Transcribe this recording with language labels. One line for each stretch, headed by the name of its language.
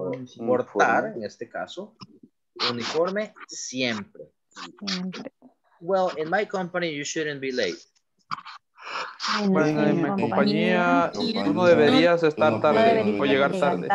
Spanish: Por ejemplo, los empleados deberían usar portar, en este caso, uniforme siempre.
English: Well, in my company, you shouldn't be late.
Spanish: Bueno, en mi compañía tú no deberías estar tarde o llegar tarde.